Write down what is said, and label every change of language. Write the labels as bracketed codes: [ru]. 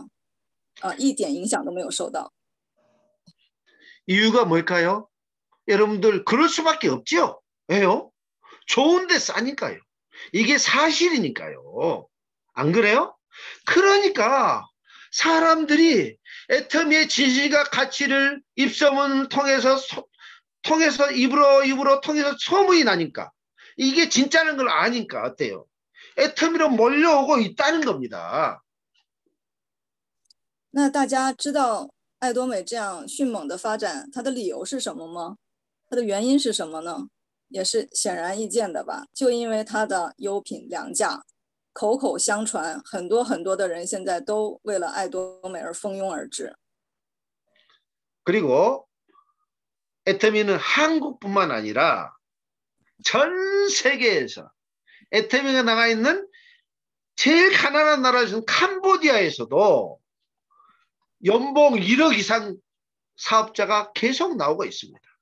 [zh] 但是大家了解爱多美的，爱多美业绩的增长率吗？它不是，不要听错，它不是三百分之三啊，它是30%的增长率，正在迅猛的发展着，一点影响都没有受到。 [ko] 이유가 뭘까요? 여러분들 그럴 수밖에 없죠. 왜요? 좋은데 싸니까요. 이게 사실이니까요. 안 그래요? 그러니까 사람들이 애터미의 진실과 가치를 입소문 통해서 입으로 통해서 소문이 나니까 이게 진짜라는 걸 아니까 어때요? 애터미로 몰려오고 있다는 겁니다. [zh] 那大家知道 爱多美这样迅猛的发展，它的理由是什么吗？它的原因是什么呢？也是显而易见的吧，就因为它的优品良价，口口相传，很多很多的人现在都为了爱多美而蜂拥而至。 [ko] 그리고 애터미는 한국뿐만 아니라 전 세계에서 애터미가 나가 있는 제일 가난한 나라인 캄보디아에서도 연봉 1억 이상 사업자가 계속 나오고 있습니다.